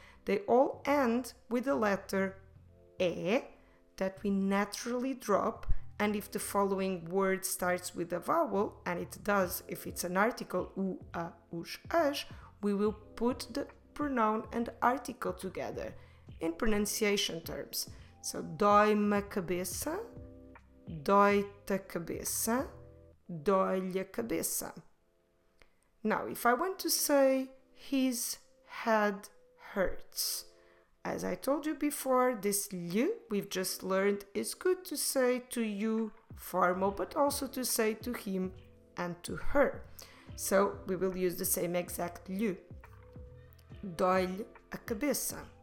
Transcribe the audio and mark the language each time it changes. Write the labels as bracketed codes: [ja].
[en] They all end with the letter E that we naturally drop, and if the following word starts with a vowel, and it does if it's an article, u, a, us, as, we will put the pronoun and article together in pronunciation terms. [pt] So, dói-me a cabeça, dói-te a cabeça, dói-lhe a cabeça. [en] Now, if I want to say his head hurts, as I told you before, this lhe we've just learned is good to say to you, formal, but also to say to him and to her. So we will use the same exact lhe. [pt] Dói-lhe a cabeça.